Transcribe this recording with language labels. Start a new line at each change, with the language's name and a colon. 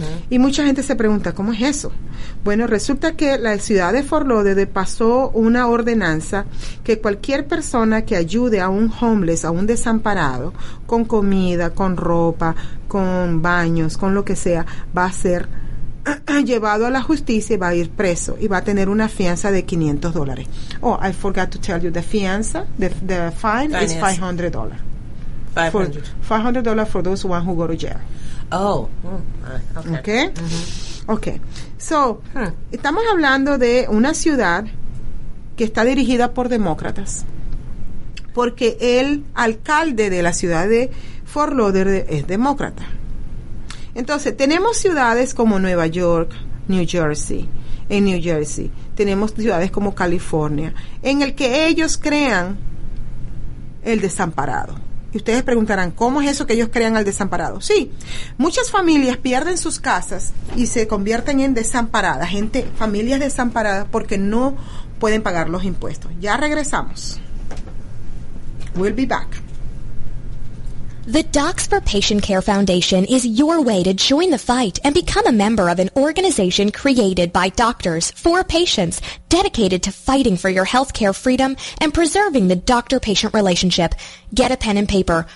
Spanish: Y mucha gente se pregunta, ¿cómo es eso? Bueno, resulta que la ciudad de Fort Lauderdale pasó una ordenanza que cualquier persona que ayude a un homeless, a un desamparado, con comida, con ropa, con baños, con lo que sea, va a ser llevado a la justicia y va a ir preso y va a tener una fianza de $500.
English: Oh, I forgot to tell you, the fianza, the fine is $500. $500 for those one who go to jail. Oh, okay. Mm-hmm. Okay.
Spanish: So, estamos hablando de una ciudad que está dirigida por demócratas, porque el alcalde de la ciudad de Fort Lauderdale es demócrata. Entonces, tenemos ciudades como Nueva York, New Jersey, tenemos ciudades como California, en el que ellos crean el desamparado. Y ustedes preguntarán, ¿cómo es eso que ellos crean al desamparado? Sí, muchas familias pierden sus casas y se convierten en desamparadas, familias desamparadas, porque no pueden pagar los impuestos. Ya regresamos.
English: We'll be back. The Docs for Patient Care Foundation is your way to join the fight and become a member of an organization created by doctors for patients, dedicated to fighting for your healthcare freedom and preserving the doctor-patient relationship. Get a pen and paper.